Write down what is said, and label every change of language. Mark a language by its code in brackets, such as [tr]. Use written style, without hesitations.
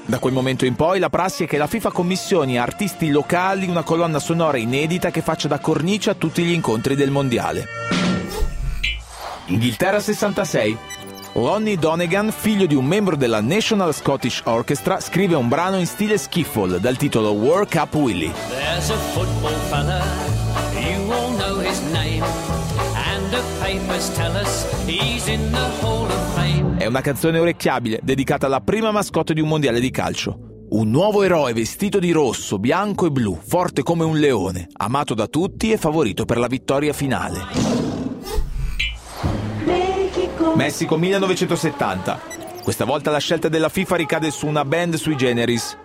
[it] Da quel momento in poi la prassi è che la FIFA commissioni a artisti locali una colonna sonora inedita che faccia da cornice a tutti gli incontri del mondiale. Inghilterra 66. Lonnie Donegan, figlio di un membro della National Scottish Orchestra, scrive un brano in stile skiffle dal titolo World Cup Willy. [en] There's a football fella, you all know his name, and the papers tell us he's in the Hall of Fame. [it] È una canzone orecchiabile dedicata alla prima mascotte di un mondiale di calcio. Un nuovo eroe vestito di rosso, bianco e blu, forte come un leone, amato da tutti e favorito per la vittoria finale. Messico 1970. Questa volta la scelta della FIFA ricade su una band sui generis.